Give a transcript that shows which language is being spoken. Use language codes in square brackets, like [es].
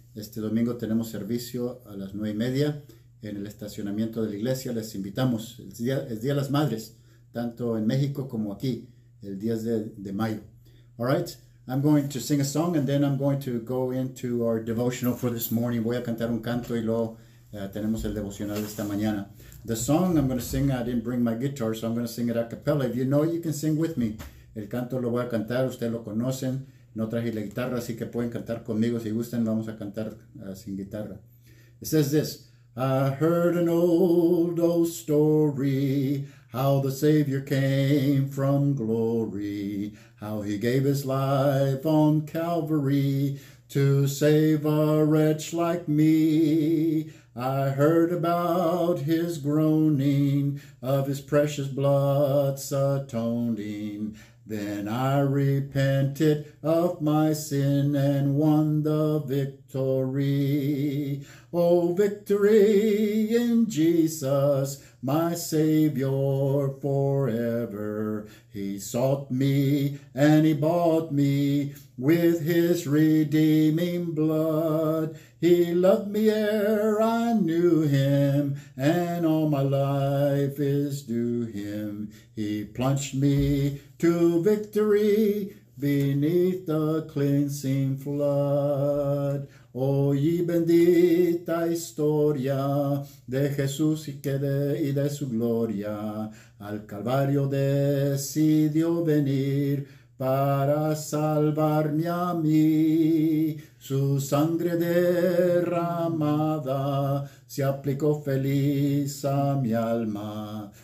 [es] Este domingo tenemos servicio a las 9:30 en el estacionamiento de la iglesia. Les invitamos. Es día de las madres. Tanto en México como aquí, el 10 de mayo. [en] All right, I'm going to sing a song and then I'm going to go into our devotional for this morning. [es] Voy a cantar un canto y luego tenemos el devocional de esta mañana. [en] The song I'm going to sing, I didn't bring my guitar, so I'm going to sing it a cappella. If you know it, you can sing with me. [es] El canto lo voy a cantar, ustedes lo conocen. No traje la guitarra, así que pueden cantar conmigo. Si gustan, vamos a cantar sin guitarra. [en] It says this. I heard an old, old story, how the Savior came from glory, how he gave his life on Calvary to save a wretch like me. I heard about his groaning, of his precious blood's atoning. Then I repented of my sin and won the victory. Oh, victory in Jesus, my Savior forever. He sought me and he bought me with his redeeming blood. He loved me ere I knew him, and all my life is due him. He plunged me to victory beneath the cleansing flood. [es] Oye bendita historia de Jesús y de su gloria. Al Calvario decidió venir para salvarme a mí. Su sangre derramada se aplicó feliz a mi alma.